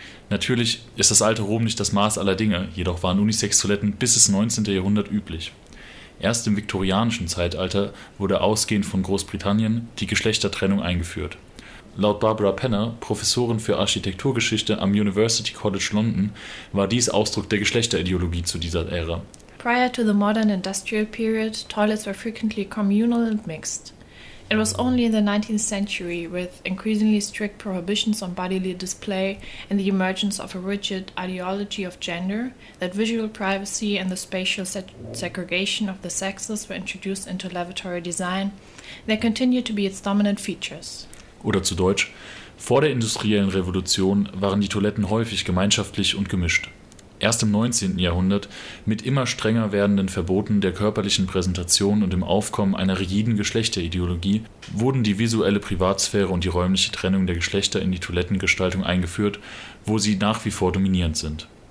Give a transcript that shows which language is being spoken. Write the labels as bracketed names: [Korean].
[German] Natürlich ist das alte Rom nicht das Maß aller Dinge, jedoch waren Unisex-Toiletten bis ins 19. Jahrhundert üblich. Erst im viktorianischen Zeitalter wurde ausgehend von Großbritannien die Geschlechtertrennung eingeführt. Laut Barbara Penner, Professorin für Architekturgeschichte am University College London, war dies Ausdruck der Geschlechterideologie zu dieser Ära. [English] Prior to the modern industrial period, toilets were frequently communal and mixed. It was only in the 19th century, with increasingly strict prohibitions on bodily display and the emergence of a rigid ideology of gender, that visual privacy and the spatial segregation of the sexes were introduced into lavatory design. They continue to be its dominant features. [German] Oder zu Deutsch, vor der industriellen Revolution waren die Toiletten häufig gemeinschaftlich und gemischt. Erst im 19. Jahrhundert, mit immer strenger werdenden Verboten der körperlichen Präsentation und dem Aufkommen einer rigiden Geschlechterideologie, wurden die visuelle Privatsphäre und die räumliche Trennung der Geschlechter in die Toilettengestaltung eingeführt, wo sie nach wie vor dominierend sind.